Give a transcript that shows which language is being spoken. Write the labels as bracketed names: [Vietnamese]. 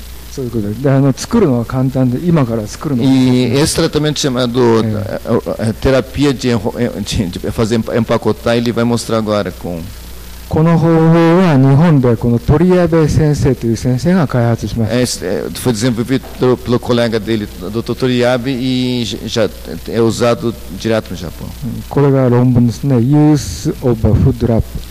[Japanese] そういうことで、作るのは簡単で、今から作るのは簡単で。 [Portuguese] Esse tratamento chamado terapia de fazer empacotar, ele vai mostrar agora com. [Japanese] この方法は日本でこの鳥籔先生という先生が開発しました。 [Portuguese] Foi desenvolvido pelo colega dele, Dr. Toriabe, e já é usado direto no Japão. [Japanese] これが論文ですね。 [English] Use of food wrap